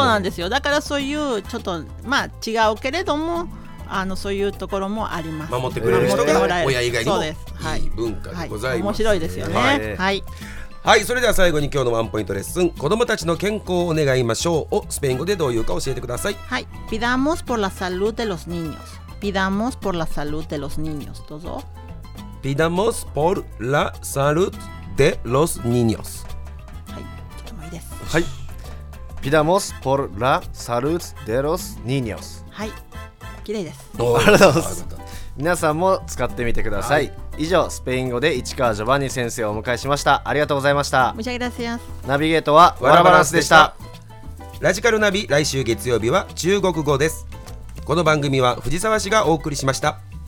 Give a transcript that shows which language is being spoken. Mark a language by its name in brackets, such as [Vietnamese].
[Japanese] そうなんですよ、だからそういうちょっと、まあ、違うけれども、そういうところもあります。守ってくれる人が親以外にも、そうです、はい、いい文化でございます、はい、面白いですよね、はい、はいはいはい、それでは最後に今日のワンポイントレッスン、子どもたちの健康を願いましょうをスペイン語でどういうか教えてください。 [Spanish] はい、pidamos por la salud de los niños. Pidamos por la salud de los niños. [Japanese] どうぞ。 [Spanish] Pidamos por la salud de los niños. [Japanese] はい、とてもいいです。 [Spanish] はい、 Pidamos por la salud de los niños. [Japanese] はい、綺麗です。ありがとうございます。皆さんも使ってみてください、はい、以上スペイン語で市川ジョバンニ先生をお迎えしました。ありがとうございました。申し訳ございません。ナビゲートはワラバランスでした。ラジカルナビ、来週月曜日は中国語です。この番組は藤沢氏がお送りしました。